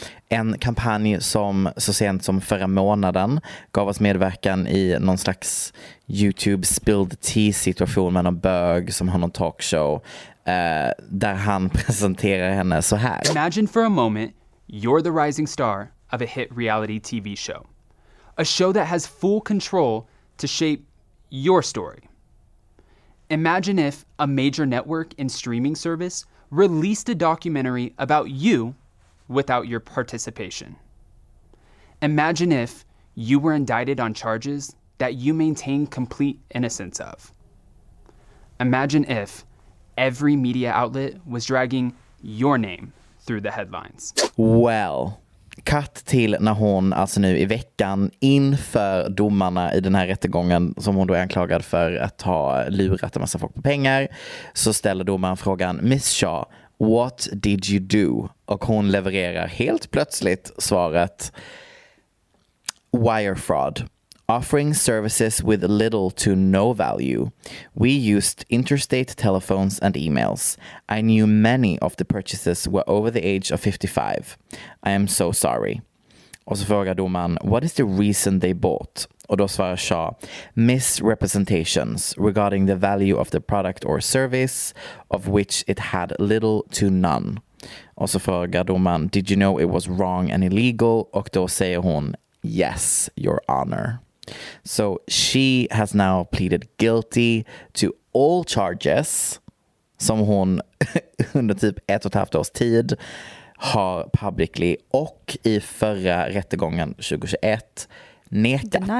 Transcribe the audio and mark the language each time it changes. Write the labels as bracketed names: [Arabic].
[Swedish] En kampanj som så sent som förra månaden gav oss medverkan i någon slags YouTube spilled tea-situation med någon bög som har någon talkshow där han presenterar henne så här. [English] Imagine for a moment you're the rising star of a hit reality TV show. A show that has full control to shape your story. Imagine if a major network and streaming service released a documentary about you without your participation. Imagine if you were indicted on charges that you maintain complete innocence of. Imagine if every media outlet was dragging your name through the headlines. [Swedish] Well, cut till när hon alltså nu i veckan inför domarna i den här rättegången som hon då är anklagad för att ha lurat en massa folk på pengar, så ställer domaren frågan: [English] Miss Shah, what did you do? [Swedish] Och hon levererar helt plötsligt svaret: [English] wire fraud. Offering services with little to no value. We used interstate telephones and emails. I knew many of the purchases were over the age of 55. I am so sorry. [Swedish] Och så frågar domaren, [English] what is the reason they bought? [Swedish] Och då svarar Shah, [English] misrepresentations regarding the value of the product or service of which it had little to none. [Swedish] Och så frågar domaren, [English] did you know it was wrong and illegal? [Swedish] Och då säger hon, [English] yes, your honor. So she has now pleaded guilty to all charges, [Swedish] som hon under typ 1,5 års tid har publicly och i förra rättegången 2021 nekat.